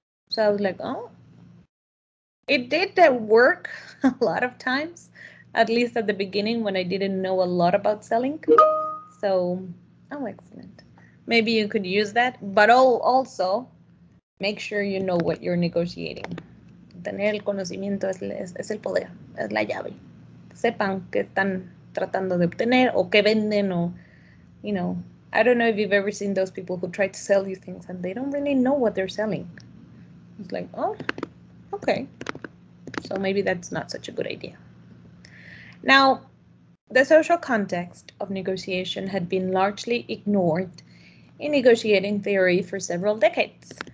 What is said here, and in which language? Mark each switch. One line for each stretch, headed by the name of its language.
English: So I was like, oh, it did work a lot of times, at least at the beginning when I didn't know a lot about selling. So, oh, excellent. Maybe you could use that, but also make sure you know what you're negotiating.
Spanish: Tener el conocimiento es el poder, es la llave. Sepan qué están tratando de obtener o qué venden o, you know.
English: I don't know if you've ever seen those people who try to sell you things and they don't really know what they're selling. It's like, oh, okay. So maybe that's not such a good idea. Now, the social context of negotiation had been largely ignored in negotiating theory for several decades.